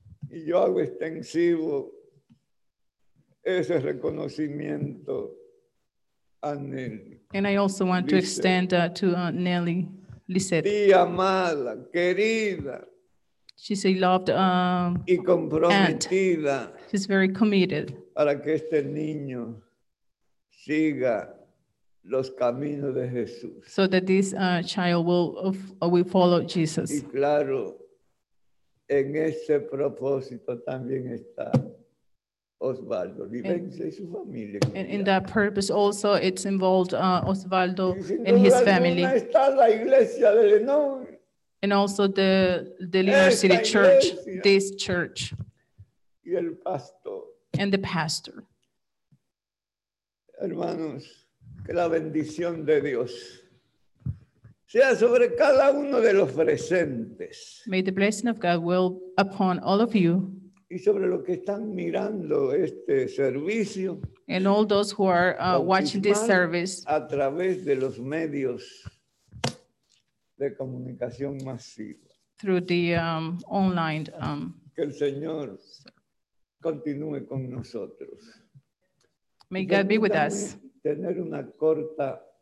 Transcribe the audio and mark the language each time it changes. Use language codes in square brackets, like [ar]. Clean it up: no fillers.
[es] Y yo hago extensivo ese reconocimiento a Nelly. [en] And I also want Lizette. To extend to Nelly, Lizette. [es] Tía mala, querida. [en] She's a loved [es] y comprometida. [en] Aunt. She's very committed. [es] Para que este niño siga los caminos de Jesús. [en] So that this child will follow Jesus. [es] Y claro, en ese propósito también está Osvaldo Livencia y su familia. [en] And in that purpose also it's involved Osvaldo and his family. [es] Está la iglesia de Lenón. [en] And also the Lenón City [es] iglesia. [en] Church, this church. [es] Y el pastor. [en] And the pastor. [es] Hermanos, que la bendición de Dios sea sobre cada uno de los presentes. [en] May the blessing of God will upon all of you. [es] Y sobre los que están mirando este servicio. [en] And all those who are watching this service. [es] A través de los medios de comunicación masiva. [en] Through the online. [es] Que el Señor continúe con nosotros. [en] May God be with us. [es] Tener una corta.